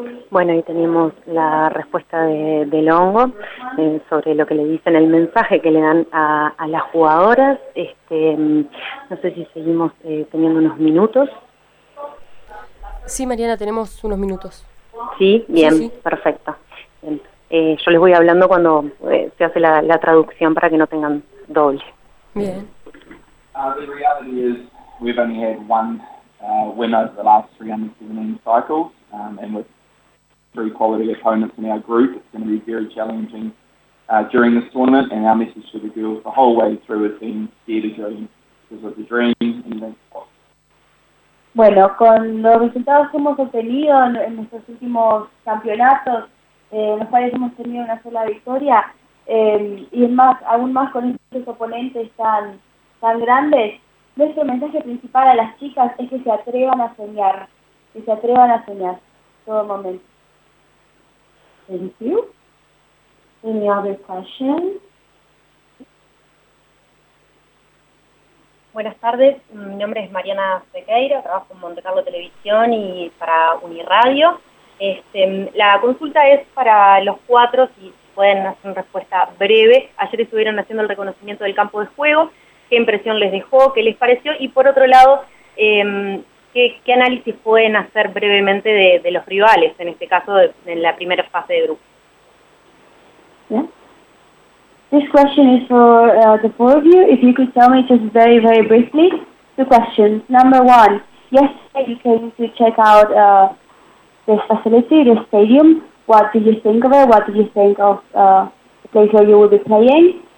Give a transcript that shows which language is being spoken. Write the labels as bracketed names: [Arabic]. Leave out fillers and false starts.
[Spanish] Bueno, ahí tenemos la respuesta de Longo sobre lo que le dicen, el mensaje que le dan a las jugadoras. No sé si seguimos teniendo unos minutos. Sí, Mariana, tenemos unos minutos. Sí, bien, sí. Perfecto. Bien. Yo les voy hablando cuando se hace la traducción para que no tengan doble. Bien. [English] The reality is we've only had one winner the last 317 cycles, and with three quality opponents in our group, it's going to be very challenging during this tournament. And our message to the girls the whole way through has been "Dare to dream, because of the dream." And then, [Spanish] bueno, con los resultados que hemos obtenido en nuestros últimos campeonatos, en los cuales hemos tenido una sola victoria, y es más, aún más con estos oponentes tan, tan grandes, nuestro mensaje principal a las chicas es que se atrevan a soñar, que se atrevan a soñar todo momento. [English] Thank you. Any other questions? [Spanish] Buenas tardes, mi nombre es Mariana Sequeira, trabajo en Monte Carlo Televisión y para Uniradio. La consulta es para los cuatro, si pueden hacer una respuesta breve. Ayer estuvieron haciendo el reconocimiento del campo de juego, qué impresión les dejó, qué les pareció, y por otro lado, qué análisis pueden hacer brevemente de los rivales, en este caso en la primera fase de grupo. [English] Yeah. This question is for the four of you. If you could tell me just very, very briefly, two questions. Number one, yesterday you came to check out the facility, the stadium. What did you think of it? What did you think of the place where you will be playing?